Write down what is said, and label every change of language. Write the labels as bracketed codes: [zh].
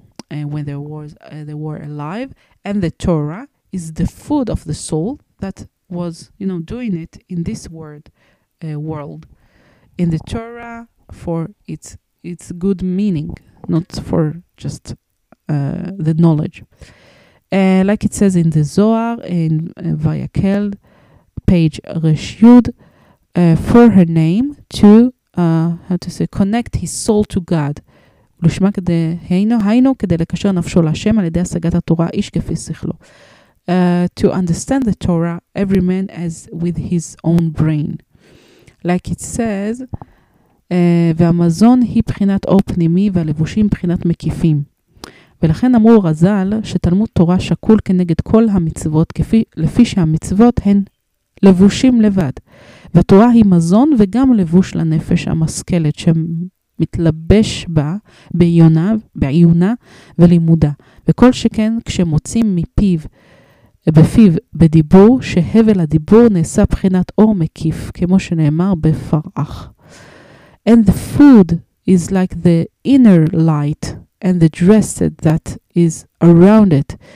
[en] when they were alive, and the Torah is the food of the soul that was, you know, doing it in this world, in the Torah for its good meaning, not for just the knowledge. Like it says in the Zohar, in Vayakel, page Reshud, for her name to, connect his soul to God. [he] לשמה כדי, היינו כדי לקשר נפשו להשם על ידי השגת התורה איש כפי שכלו. [en] To understand the Torah, every man as with his own brain. Like it says, [he] והמזון היא בחינת אור פנימי והלבושים בחינת מקיפים. ולכן אמרו רזל שתלמוד תורה שקול כנגד כל המצוות, לפי שהמצוות הן לבושים לבד. והתורה היא מזון וגם לבוש לנפש המשכלת שמתלבש בה בעיונה ולימודה. וכל שכן כשמוצאים בפיו בדיבור, שהבל הדיבור נעשה בחינת אור מקיף, כמו שנאמר בפרח. [en] And the food is like the inner light, and the dressed that is around it.